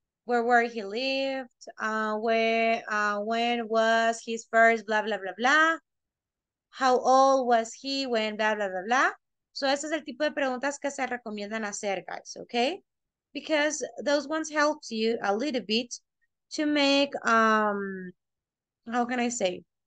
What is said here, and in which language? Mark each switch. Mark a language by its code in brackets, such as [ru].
[en] Where he lived, when was his first, blah, blah, blah, blah. How old was he when, blah, blah, blah, blah. [es] So, ese es el tipo de preguntas que se recomiendan hacer, guys, okay? [en] Because those ones help you a little bit to make, how can I say?